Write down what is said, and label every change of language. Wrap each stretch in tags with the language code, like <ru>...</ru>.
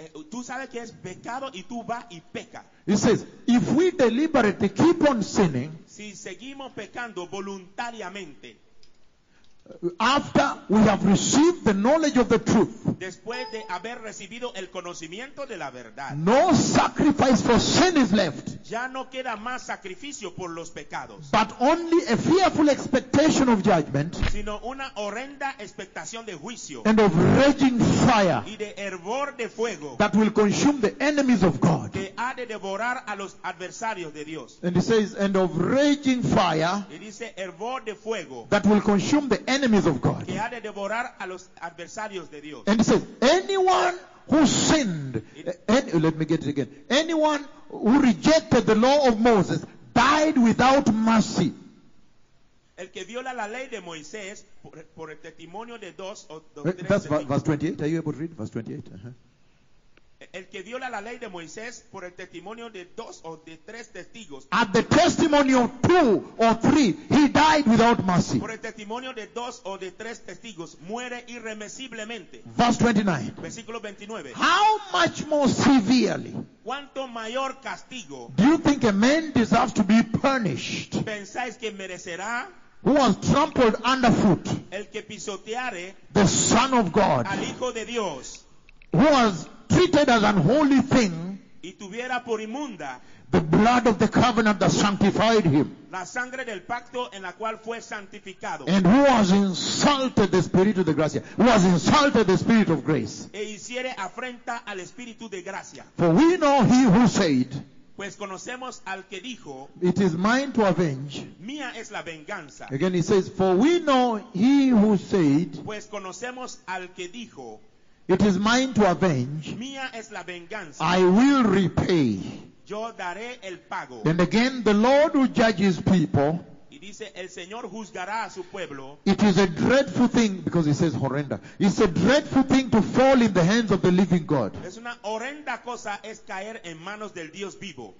<es>Tú sabes que es pecado y tú vas y peca.</es> <en>He says, if we deliberately keep on sinning,</en> <es>si seguimos pecando voluntariamente,</es> <en>after we have received the knowledge of the truth,</en> <es>después de haber recibido el conocimiento de la verdad,</es> <en>no sacrifice for sin is left.</en> <es>Ya no queda más sacrificio por los pecados.</es> <en>But only a fearful expectation of judgment,</en> <es>sino una horrenda expectación de juicio,</es> <en>and of raging fire,</en> <es>y de hervor de fuego,</es> <en>that will consume the enemies of God,</en> <es>que ha de devorar a los adversarios de Dios.</es> <en>And he says, and of raging fire,</en> <es>y dice hervor de fuego,</es> <en>that will consume the enemies of God,</en> <es>que ha de devorar a los adversarios de Dios.</es> <en>And he says, anyone who sinned, let me get it again. Anyone who rejected the law of Moses died without mercy.</en> <es>El que viola la ley de Moisés por el testimonio de dos o tres.</es> <en>That's verse 28. Are you able to read verse 28? Uh-huh.</en> <es>El que viola la ley de Moisés por el testimonio de dos o de tres testigos.</es> <en>At the testimony of two or three, he died without mercy.</en> <es>Por el testimonio de dos o de tres testigos, muere irremisiblemente.</es> <en>Verse 29.</en> <es>Versículo 29.</es> <en>How much more severely?</en> <es>¿Cuánto mayor castigo?</es> <en>Do you think a man deserves to be punished?</en> <es>¿Pensáis que merecerá?</es> <en>Who was trampled underfoot?</en> <es>El que pisoteare.</es> <en>The Son of God.</en> <es>Al Hijo de Dios.</es> <en>Who was treated as an holy thing?</en> <es>Y tuviera por inmunda.</es> <en>The blood of the covenant that sanctified him.</en> <es>La sangre del pacto en la cual fue santificado.</es> <en>And who was insulted the spirit of the gracia. Who was insulted the spirit of grace.</en> <es>E hiciere afrenta al espíritu de gracia.</es> <en>For we know he who said.</en> <es>Pues conocemos al que dijo.</es> <en>It is mine to avenge.</en> <es>Mía es la venganza.</es> <en>Again he says, for we know he who said.</en> <es>Pues conocemos al que dijo.</es> <en>It is mine to avenge.</en> <es>Mía es la venganza.</es> <en>I will repay.</en> <es>Yo daré el pago.</es> <en>And again, the Lord who judges people.</en> <es>Y dice, el Señor juzgará a su pueblo.</es> <en>It is a dreadful thing, because he says horrenda. It's a dreadful thing to fall in the hands of the living God.</en> <es>Es una horrenda cosa es caer en manos del Dios vivo.</es>